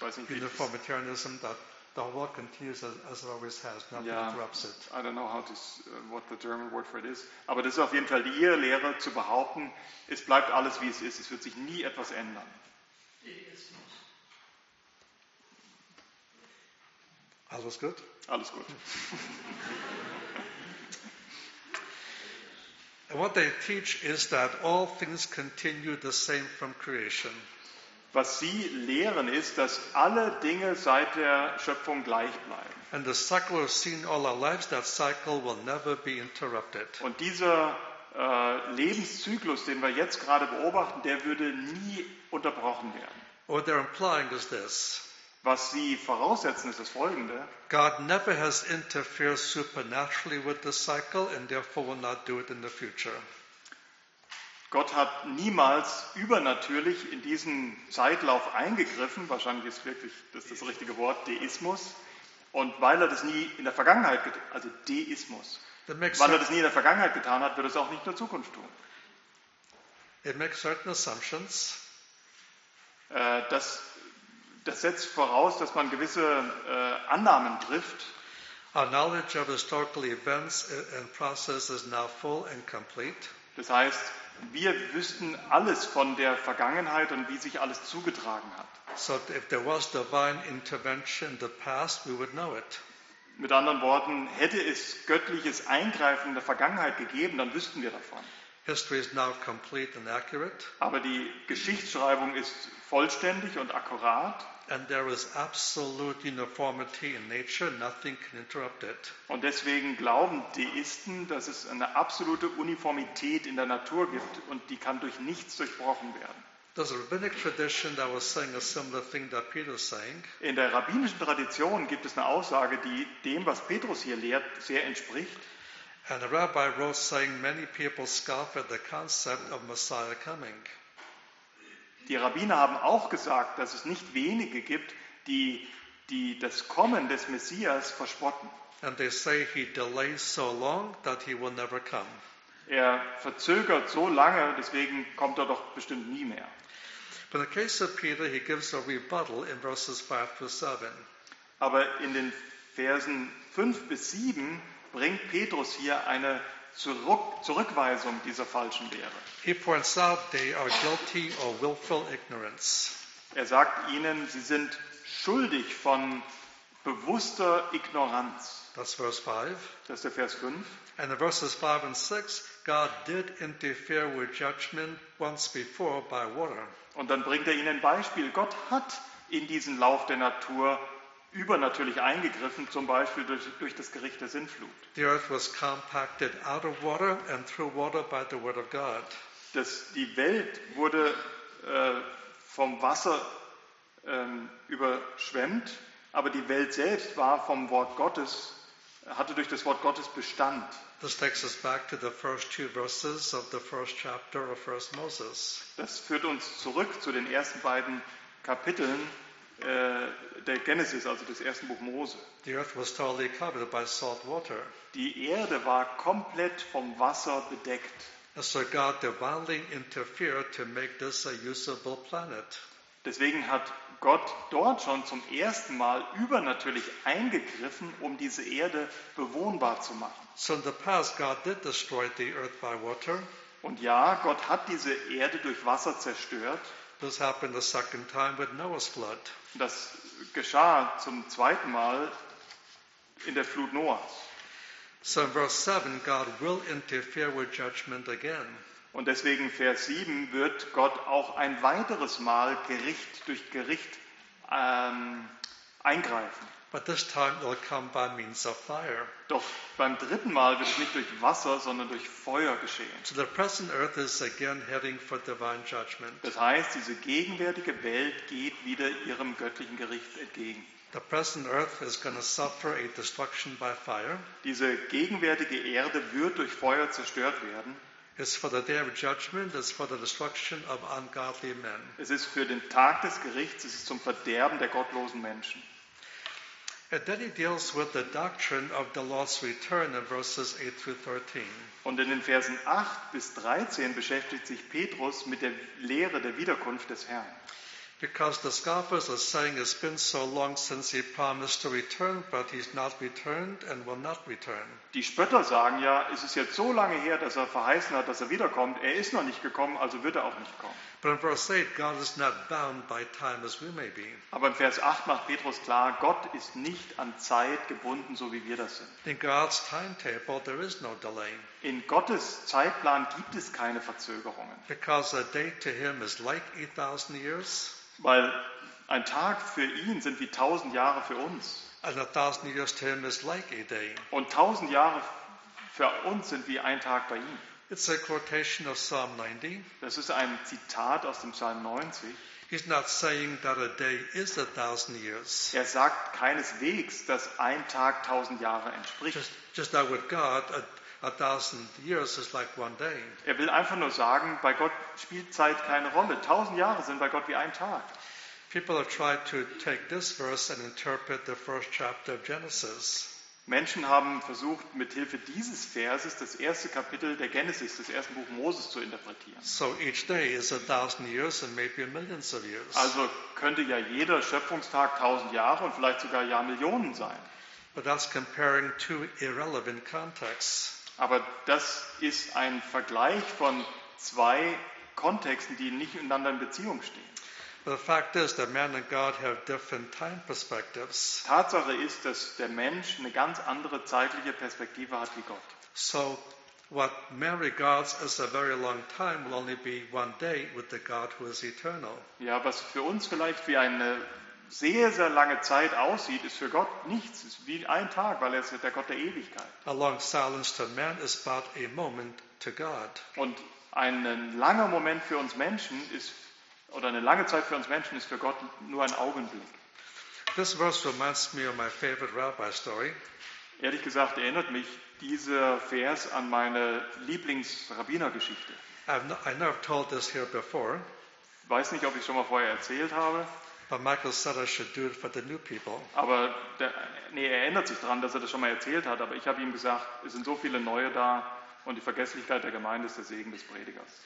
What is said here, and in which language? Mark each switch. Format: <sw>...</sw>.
<en>uniformitarianism, that the whole world continues as it always has, nothing interrupts it. I don't know what the German word for it is.</en> <de>Aber das ist auf jeden Fall die Irrlehre zu behaupten, es bleibt alles wie es ist, es wird sich nie etwas ändern. Deismus. Alles gut? Alles gut.</de> <en>What they teach is that all things continue the same from creation.</en> <de>Was sie lehren ist, dass alle Dinge seit der Schöpfung gleich bleiben.</de> <en>And the cycle we've seen all our lives, that cycle will never be interrupted.</en> <de>Und dieser Lebenszyklus, den wir jetzt gerade beobachten, der würde nie unterbrochen werden.</de> <en>What they're implying is this.</en> <de>Was sie voraussetzen, ist das Folgende.</de> <en>God never has interfered supernaturally with the cycle and therefore will not do it in the future.</en> <de>Gott hat niemals übernatürlich in diesen Zeitlauf eingegriffen, wahrscheinlich ist wirklich das richtige Wort, Deismus, und weil er das nie in der Vergangenheit getan hat, also Deismus, weil er das nie in der Vergangenheit getan hat, wird es auch nicht in der Zukunft tun.</de> <en>It makes certain assumptions.</en> <de>Das setzt voraus, dass man gewisse Annahmen trifft.</de> <en>Our knowledge of historical events and process is now full and complete.</en> <de>Das heißt, wir wüssten alles von der Vergangenheit und wie sich alles zugetragen hat.</de> <en>So if there was divine intervention in the past, we would know it.</en> <de>Mit anderen Worten, hätte es göttliches Eingreifen in der Vergangenheit gegeben, dann wüssten wir davon.</de> <en>History is now complete and accurate.</en> <de>Aber die Geschichtsschreibung ist vollständig und akkurat.</de> <en>And there is absolute uniformity in nature. Nothing can interrupt it.</en> <de>Und deswegen glauben Deisten, dass es eine absolute Uniformität in der Natur gibt und die kann durch nichts durchbrochen werden.</de> <en>There's a rabbinic tradition that was saying a similar thing that Peter is saying.</en> <de>In der rabbinischen Tradition gibt es eine Aussage, die dem, was Petrus hier lehrt, sehr entspricht.</de> <en>And a rabbi wrote saying many people scoff at the concept of Messiah coming.</en> <de>Die Rabbiner haben auch gesagt, dass es nicht wenige gibt, die das Kommen des Messias verspotten.</de> <en>And they say he delays so long that he will never come.</en> <de>Er verzögert so lange, deswegen kommt er doch bestimmt nie mehr.</de> <en>But in the case of Peter, he gives a rebuttal in verses 5 to 7.</en> <de>Aber in den Versen 5 bis 7 bringt Petrus hier eine Zurückweisung dieser falschen Lehre.</de> <en>He points out they are guilty of willful ignorance.</en> <de>Er sagt ihnen, sie sind schuldig von bewusster Ignoranz.</de> <en>That's verse 5.</en> <de>Das ist der Vers 5.</de> <en>And in verses 5 and 6, God did interfere with judgment once before by water.</en> <de>Und dann bringt er ihnen ein Beispiel. Gott hat in diesen Lauf der Natur übernatürlich eingegriffen, zum Beispiel durch das Gericht der Sintflut.</de> <en>The earth was compacted out of water and through water by the word of God.</en> <de>Die Welt wurde vom Wasser überschwemmt, aber die Welt selbst war vom Wort Gottes, hatte durch das Wort Gottes Bestand.</de> <en>This takes us back to the first two verses of the first chapter of First Moses.</en> <de>Das führt uns zurück zu den ersten beiden Kapiteln der Genesis, also des ersten Buch Mose.</de> <en>The earth was totally covered by salt water.</en> <de>Die Erde war komplett vom Wasser bedeckt.</de> <en>And so God divinely interfered to make this a usable planet.</en> <de>Deswegen hat Gott dort schon zum ersten Mal übernatürlich eingegriffen, um diese Erde bewohnbar zu machen.</de> <en>So in the past God did destroy the earth by water.</en> <de>Und ja, Gott hat diese Erde durch Wasser zerstört.</de> <en>This happened the second time with Noah's flood.</en> <de>Das geschah zum zweiten Mal in der Flut Noahs.</de> <en>So in verse 7, God will interfere with judgment again.</en> <de>Und deswegen Vers 7 wird Gott auch ein weiteres Mal Gericht durch Gericht eingreifen.</de> <en>But this time it'll come by means of fire.</en> <de>Doch beim dritten Mal wird es nicht durch Wasser, sondern durch Feuer geschehen.</de> <en>So the present earth is again heading for divine judgment.</en> <de>Das heißt, diese gegenwärtige Welt geht wieder ihrem göttlichen Gericht entgegen.</de> <en>The present earth is going to suffer a destruction by fire.</en> <de>Diese gegenwärtige Erde wird durch Feuer zerstört werden.</de> <en>It's for the day of judgment, it's for the destruction of ungodly men.</en> <de>Es ist für den Tag des Gerichts, es ist zum Verderben der gottlosen Menschen.</de> <en>And then he deals with the doctrine of the lost return in verses 8 through 13.</en> <de>Und in den Versen 8 bis 13 beschäftigt sich Petrus mit der Lehre der Wiederkunft des Herrn.</de> <en>Because the scoffers are saying it's been so long since he promised to return, but he's not returned and will not return.</en> <de>Die Spötter sagen ja, es ist jetzt so lange her, dass er verheißen hat, dass er wiederkommt. Er ist noch nicht gekommen, also wird er auch nicht kommen.</de> <en>But in verse 8, God is not bound by time as we may be.</en> <de>Aber in Vers 8 macht Petrus klar, Gott ist nicht an Zeit gebunden, so wie wir das sind.</de> <en>In God's timetable, there is no delay.</en> <de>In Gottes Zeitplan gibt es keine Verzögerungen.</de> <en>Because a day to him is like 8,000 years.</en> <de>Weil ein Tag für ihn sind wie 1,000 Jahre für uns.</de> <en>And 1,000 years to him is like a day.</en> <de>Und 1,000 Jahre für uns sind wie ein Tag bei ihm.</de> <en>It's a quotation of Psalm 90.</en> <de>Das ist ein Zitat aus dem Psalm 90.</de> <en>He's not saying that a day is 1,000 years.</en> <de>Er sagt keineswegs, dass ein Tag 1,000 Jahre entspricht.</de> <en>Just like with God, a 1,000 years is like one day.</en> <de>Er will einfach nur sagen, bei Gott spielt Zeit keine Rolle. 1,000 Jahre sind bei Gott wie ein Tag.</de> <en>People have tried to take this verse and interpret the first chapter of Genesis.</en> <de>Menschen haben versucht, mit Hilfe dieses Verses das erste Kapitel der Genesis, des ersten Buch Moses, zu interpretieren.</de> <en>So each day is 1,000 years and maybe millions of years.</en> <de>Also könnte ja jeder Schöpfungstag 1,000 Jahre und vielleicht sogar Jahrmillionen sein.</de> <en>But that's comparing two irrelevant contexts.</en> <de>Aber das ist ein Vergleich von zwei Kontexten, die nicht miteinander in Beziehung stehen.</de> <en>The fact is that man and God have different time perspectives.</en> <de>Tatsache ist, dass der Mensch eine ganz andere zeitliche Perspektive hat wie Gott.</de> <en>So what man regards as a very long time will only be one day with the God who is eternal.</en> <de>Ja, was für uns vielleicht wie eine sehr, sehr lange Zeit aussieht, ist für Gott nichts. Es ist wie ein Tag, weil er ist der Gott der Ewigkeit.</de> <en>A long silence to man is but a moment to God.</en> <de>Und ein langer Moment für uns Menschen ist, oder eine lange Zeit für uns Menschen ist für Gott nur ein Augenblick.</de> <en>This verse reminds me of my favorite rabbi story.</en> <de>Ehrlich gesagt erinnert mich dieser Vers an meine Lieblingsrabbinergeschichte.</de> <en>I never told this here before.</en> <de>Weiß nicht, ob ich schon mal vorher erzählt habe.</de> <en>But Michael said I should do it for the new people.</en> <de>Aber er erinnert sich daran, dass er das schon mal erzählt hat. Aber ich habe ihm gesagt, es sind so viele Neue da und die Vergesslichkeit der Gemeinde ist der Segen des Predigers.</de>